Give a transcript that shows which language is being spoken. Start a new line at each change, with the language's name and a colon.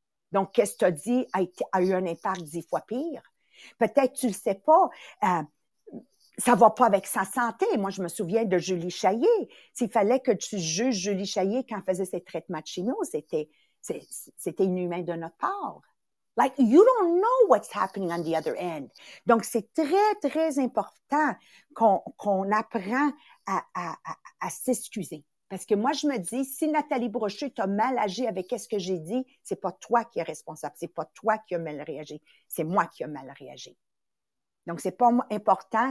French: Donc, qu'est-ce que tu as dit a eu un impact 10 fois pire? Peut-être que tu le sais pas. Ça va pas avec sa santé. Moi, je me souviens de Julie Chaillé. S'il fallait que tu juges Julie Chaillé quand elle faisait ses traitements de chimio, c'était inhumain de notre part.
English: Like, you don't know what's happening on the other end.
French: Donc, c'est très, très important qu'on apprend à s'excuser. Parce que moi, je me dis, si Nathalie Brochu t'a mal agi avec ce que j'ai dit, c'est pas toi qui es responsable. C'est pas toi qui a mal réagi. C'est moi qui a mal réagi. Donc, c'est pas important.